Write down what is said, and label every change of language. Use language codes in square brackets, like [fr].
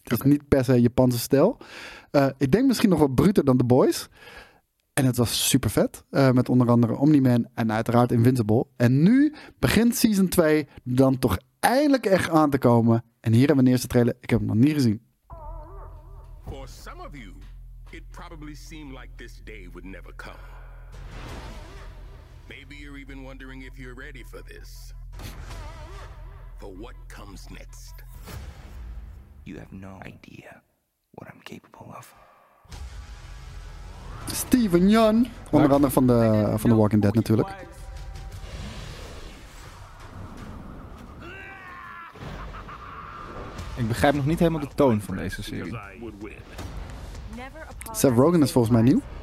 [nl] Het is niet per se Japanse stijl. Ik denk misschien nog wat bruter dan The Boys. En het was super vet. Met onder andere Omni-Man en uiteraard Invincible. En nu begint season 2 dan toch eindelijk echt aan te komen. En hier hebben we een eerste trailer. Ik heb hem nog niet gezien. [en] For some of you, it probably seemed like this day would never come. Maybe you're even wondering if you're ready for this. For what comes next. You have no idea what I'm capable of. [nl] Steven Yeun, onder andere van The Walking Dead natuurlijk. Ik begrijp nog niet helemaal de toon van deze serie. Seth Rogen is volgens mij nieuw.